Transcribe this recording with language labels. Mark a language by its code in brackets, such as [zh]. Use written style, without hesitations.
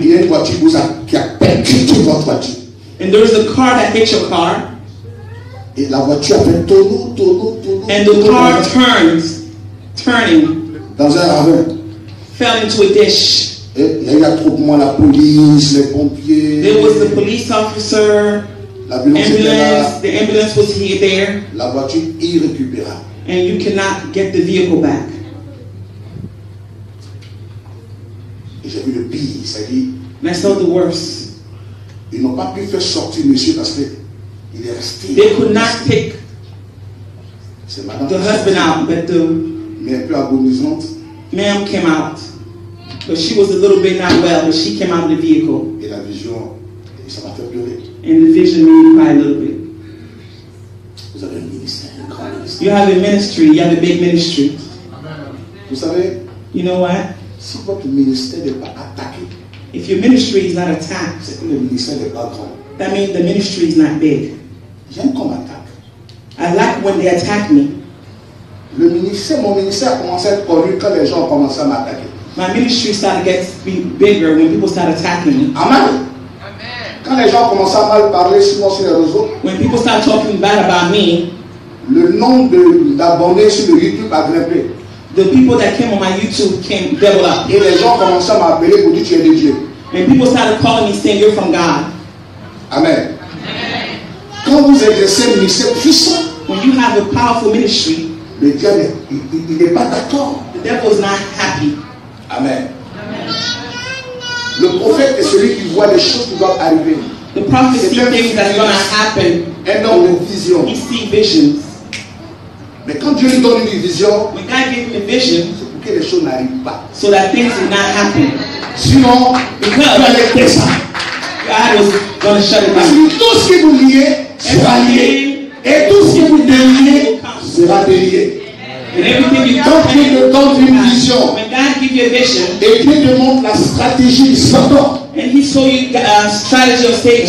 [fr] Il y a une voiture vous a, qui a percuté votre voiture. [en] And there is a car that hit your car. [fr] Et la voiture fait tonneau. [en] And the car turning. [fr] Dans un ravin. [en] Fell into a ditch. [fr] Et il y a trop de monde, la police, les pompiers. [en] There was the police officer. The ambulance was here there. [fr] La voiture irrécupérable. [en] And you cannot get the vehicle back. [fr] J'ai vu le pire, ça dit. [en] And I saw the worst. [fr] Ils n'ont pas pu faire sortir monsieur parce que il est resté. [en] They could not pick the husband out, but the [fr] mais plus agonisante. [en] Ma'am came out. But she was a little bit not well, but she came out of the vehicle. [fr] Et la vision, et ça m'a fait pleurer. [en] And the vision made me cry a little bit. [fr] Vous avez un ministère, un grand ministère. [en] You have a ministry, you have a big ministry. [fr] Vous savez? [en] You know what? [fr] Si votre ministère n'est pas attaqué, [en] if your ministry is not attacked, [fr] c'est que le ministère n'est pas grand. [en] That means the ministry is not big. [fr] J'aime qu'on m'attaque. [en] I like when they attack me. [fr] Le ministère, mon ministère a commencé à être connu quand les gens ont commencé à m'attaquer. [en] My ministry started getting bigger when people started attacking me. Amen. [fr] Quand les gens commençaient à mal parler sur moi sur les réseaux, [en] when people started talking bad about me, [fr] le nombre d'abonnés sur le YouTube a grimpé. [en] The people that came on my YouTube came double up. [fr] Et les gens commençaient à m'appeler pour dire tu es de Dieu. [en] And people started calling me saying you're from God. [fr] Amen. Quand vous exercez un ministère puissant, [en] when you have a powerful ministry, [fr] le diable il n'est pas d'accord. [en] The devil is not happy. Amen. [fr] Le prophète est celui qui voit les choses qui doivent arriver. [en] The prophet sees things that are going to happen. [fr] Un homme de vision. [en] He sees visions. [fr] Mais quand Dieu lui donne une vision, [en] when God gave him a vision, [fr] c'est pour que les choses n'arrivent pas. [en] So that things will not happen. [fr] Sinon, [en] because [fr] il allait faire ça. [en] God was going to shut it down. [fr] Si tout ce qui vous liez sera lié, et tout ce qui vous déliez sera délié. Quand Dieu te donne une vision, [en] when God give you a vision, [fr] et Dieu te montre la stratégie de Satan, [en] and he show you the strategy of Satan,